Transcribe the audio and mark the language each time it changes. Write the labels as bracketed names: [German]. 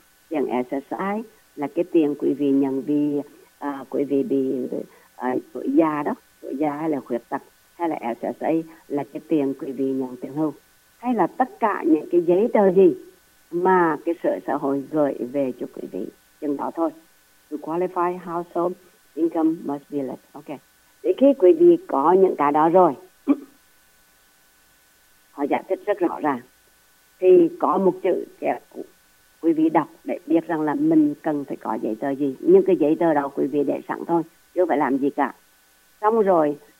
[Vietnamese] Tiền SSI là cái tiền quý vị nhận vì quý vị bị tuổi già đó, tuổi già hay là khuyết tật, hay là SSA là cái tiền quý vị nhận tiền hưu, hay là tất cả những cái giấy tờ gì mà cái sở xã hội gửi về cho quý vị, chừng đó thôi. [English] To qualify, household income must be less. Ok. [Vietnamese] Thì khi quý vị có những cái đó rồi, họ giải thích rất rõ ràng, thì có một chữ để quý vị đọc để biết rằng là mình cần phải có giấy tờ gì. Những cái giấy tờ đó quý vị để sẵn thôi, chứ phải làm gì cả. Xong rồi,